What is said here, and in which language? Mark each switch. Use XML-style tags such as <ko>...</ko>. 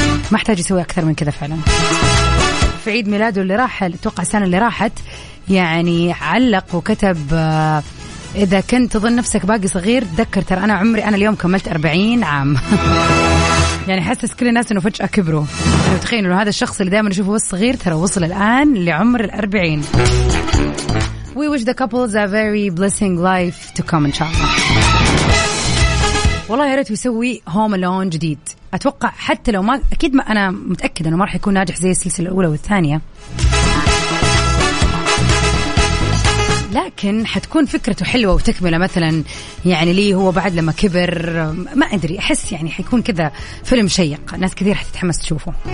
<ar>ما احتاج يسوي أكثر من كذا فعلا. في عيد ميلاده اللي راح، توقع السنة اللي راحت، يعني علق وكتب: إذا كنت تظن نفسك باقي صغير، تذكر ترى أنا عمري، أنا اليوم كملت 40 عام. يعني حسس كل الناس إنه فجأة كبروا. تخيلوا هذا الشخص اللي دائما نشوفه الصغير ترى وصل الآن لعمر 40.</ar> <en>We wish the couples a very blessing life to come, inshallah.</en> <ar>والله يا ريت يسوي هوم ألون جديد. أتوقع حتى لو ما، أكيد ما، أنا متأكد إنه ما رح يكون ناجح زي السلسلة الأولى والثانية، لكن حتكون فكرته حلوة وتكملة مثلا يعني لي هو بعد لما كبر، ما أدري أحس يعني حيكون كذا فيلم شيق، ناس كثير حتتحمس تشوفه.</ar>